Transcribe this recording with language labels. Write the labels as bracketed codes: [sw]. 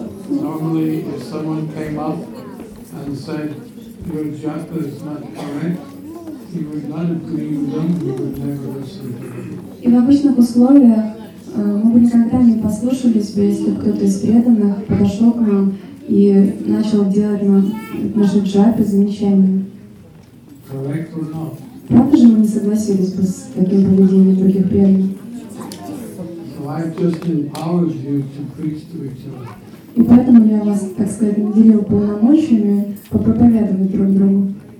[en] Normally if someone came up and said your japa is not correct, you would not agree with them, you would never listen to them. [ru] И в обычных условиях мы бы никогда не послушались бы, если кто-то из преданных подошел к нам и начал делать нашу джапу замечание. [en] Correct or not? [ru] Правда же мы не согласились бы с таким поведением других преданных? [en] I just empowered you to preach to each other. [ru] И поэтому я вас, так сказать, наделил полномочиями попроповедовать друг другу.